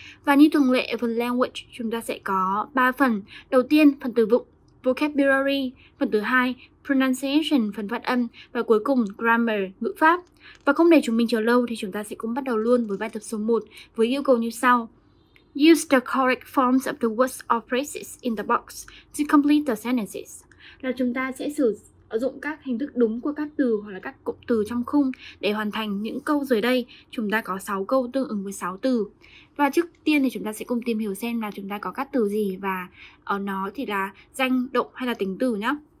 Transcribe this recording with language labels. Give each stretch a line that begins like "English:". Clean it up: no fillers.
Vietnamese: Và như thường lệ ở phần language chúng ta sẽ có 3 phần. Đầu tiên phần từ vựng, vocabulary, phần thứ hai pronunciation, phần phát âm, và cuối cùng grammar, ngữ pháp. Và không để chúng mình chờ lâu thì chúng ta sẽ cũng bắt đầu luôn với bài tập số 1 với yêu cầu như sau.
English: Use the correct forms of the words or phrases in the box to complete the sentences.
Vietnamese: Là chúng ta sẽ sử dụng các hình thức đúng của các từ hoặc là các cụm từ trong khung để hoàn thành những câu dưới đây. Chúng ta có 6 câu tương ứng với 6 từ. Và trước tiên thì chúng ta sẽ cùng tìm hiểu xem là chúng ta có các từ gì và ở nó thì là danh, động hay là tính từ nhé.